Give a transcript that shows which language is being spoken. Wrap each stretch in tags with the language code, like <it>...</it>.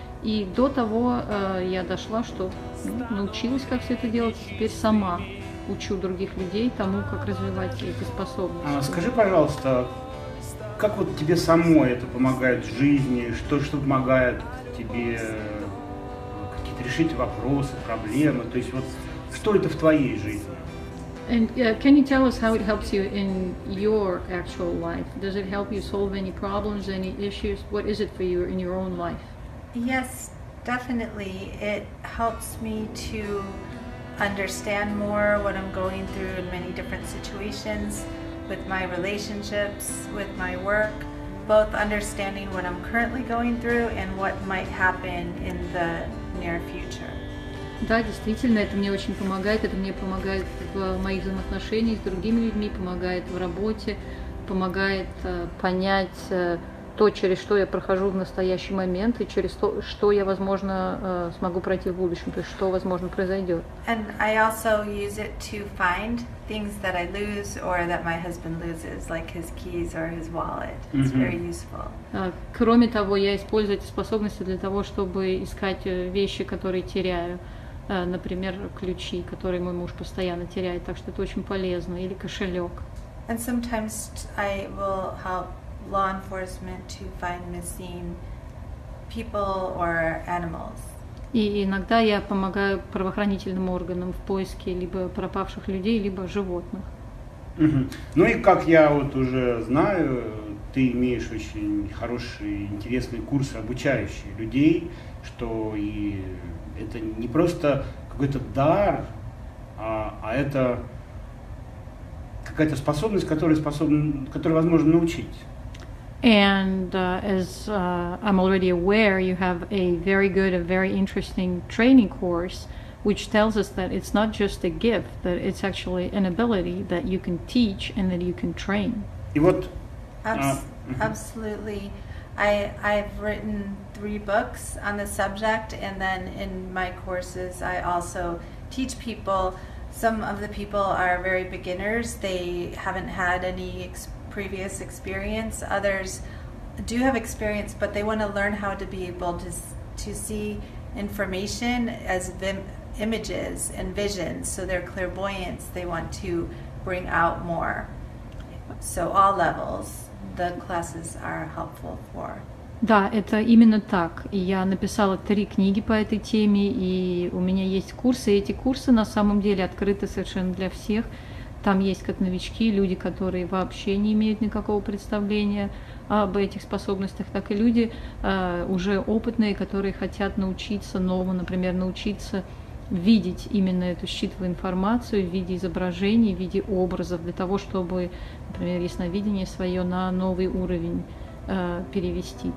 <ru>И до того я дошла, что научилась, как все это делать, и теперь сама учу других людей тому, как развивать эти способности. Скажи, пожалуйста, как вот тебе самой это помогает в жизни, что помогает тебе какие-то решить вопросы, проблемы, то есть вот что это в твоей жизни?</ru> <en>And can you tell us how it helps you in your actual life? Does it help you solve any problems, any issues? What is it for you in your own life? Yes, definitely. It helps me to understand more what I'm going through in many different situations. With my relationships, with my work, both understanding what I'm currently going through and what might happen in the near future. Да, действительно, это мне очень помогает. Это мне помогает в моих взаимоотношениях с другими людьми, помогает в работе, помогает понять то, через что я прохожу в настоящий момент и через то, что я, возможно, смогу пройти в будущем, то есть что, возможно, произойдет. And I also use it to find things that I lose or that my husband loses, like his keys or his wallet. It's mm-hmm. very useful.</en> <ru>Кроме того, я использую эти способности для того, чтобы искать вещи, которые теряю. Например, ключи, которые мой муж постоянно теряет, так что это очень полезно. Или кошелек.</ru> <en>And sometimes I will help law enforcement to find missing people or animals.</en> <ru>И иногда я помогаю правоохранительным органам в поиске либо пропавших людей, либо животных. Угу. Ну и как я вот уже знаю, ты имеешь очень хорошие, интересные курсы, обучающие людей, что и это не просто какой-то дар, а это какая-то способность, которую возможно научить.</ru> <en>And as I'm already aware, you have a very good, a very interesting training course, which tells us that it's not just a gift, that it's actually an ability that you can teach and that you can train. Absolutely. I've written 3 books on the subject, and then in my courses I also teach people. Some of the people are very beginners, they haven't had any previous experience. Others do have experience, but they want to learn how to be able to see information as images and visions, so their clairvoyance they want to bring out more. So all levels the classes are helpful for.</en> <ru>Да, это именно так. Я написала 3 книги по этой теме, и у меня есть курсы. И эти курсы на самом деле открыты совершенно для всех. Там есть как новички, люди, которые вообще не имеют никакого представления об этих способностях, так и люди уже опытные, которые хотят научиться новому, например, научиться видеть именно эту считывую информацию в виде изображений, в виде образов, для того, чтобы, например, ясновидение свое на новый уровень перевести.</ru>